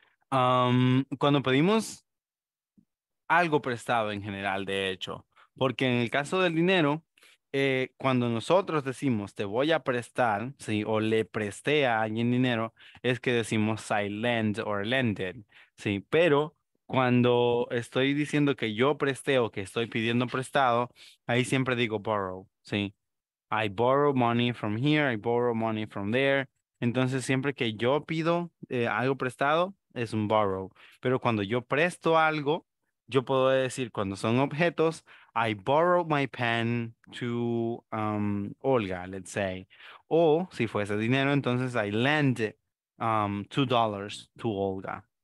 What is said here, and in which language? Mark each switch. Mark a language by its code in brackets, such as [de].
[es] Cuando pedimos algo prestado en general, de hecho, porque en el caso del dinero, cuando nosotros decimos te voy a prestar, ¿sí? O le presté a alguien dinero, es que decimos [en] I lend or lended, [es] ¿sí? Pero cuando estoy diciendo que yo presté o que estoy pidiendo prestado, ahí siempre digo borrow, ¿sí? [en] I borrow money from here, I borrow money from there. [es] Entonces, siempre que yo pido algo prestado, es un borrow. Pero cuando yo presto algo, yo puedo decir, cuando son objetos, [en] I borrow my pen to Olga, let's say. [es] O, si fuese dinero, entonces [en] I lend $2 to Olga.